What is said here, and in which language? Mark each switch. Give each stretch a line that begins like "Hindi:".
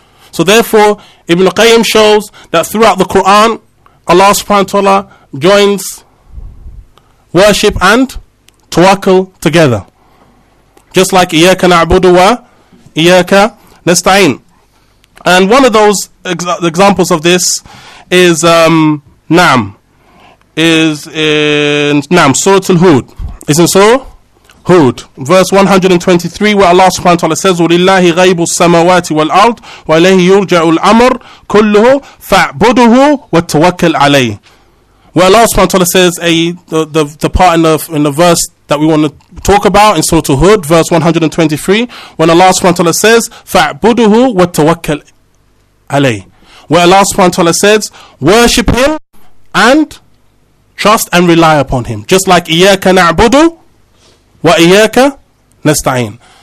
English: So therefore, Ibn Qayyim shows that throughout the Qur'an, Allah subhanahu wa ta'ala joins worship and tawakkul together. Just like
Arabic: Iyaka na'budu wa Iyaka nasta'in.
English: And one of those examples of this is Na'am. Is in Na'am, Surah Al-Hud. Is in Surah Hud, verse 123, where Allah subhanahu wa ta'ala says,
Arabic: وَلِلَّهِ غَيْبُ السَّمَوَاتِ وَالْأَرْضِ وَإِلَيْهِ يُرْجَعُ الْأَمْرُ كُلُّهُ فَاعْبُدُهُ وَتَوَكَّلْ عَلَيْهِ.
English: Where Allah subhanahu wa ta'ala says, the part in the verse that we want to talk about in Surah Hud, verse 123, when Allah subhanahu wa ta'ala says,
Arabic: فَاعْبُدُهُ وَتَوَكَّلْ عَلَيْهِ.
English: Where Allah subhanahu wa ta'ala says, worship Him and trust and rely upon Him. Just like
Arabic: إِيَّاكَ نَعْبُدُ وَإِيَّاكَ نَسْتَعِينَ.